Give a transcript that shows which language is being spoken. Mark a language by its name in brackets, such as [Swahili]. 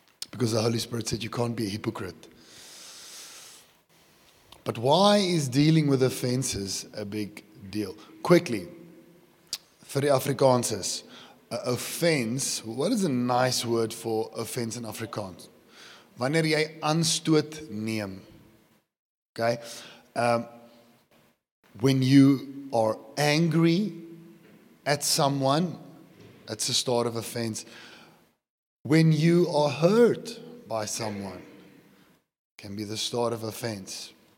[English] Because the Holy Spirit said you can't be a hypocrite. But why is dealing with offenses a big deal? Quickly, for the Afrikaners, offense, what is a nice word for offense in Afrikaans? [Afrikaans] Wanneer jy aanstoot neem. [English] Okay? When you are angry at someone, that's a start of offense. When you are hurt by someone, can be the start of offense.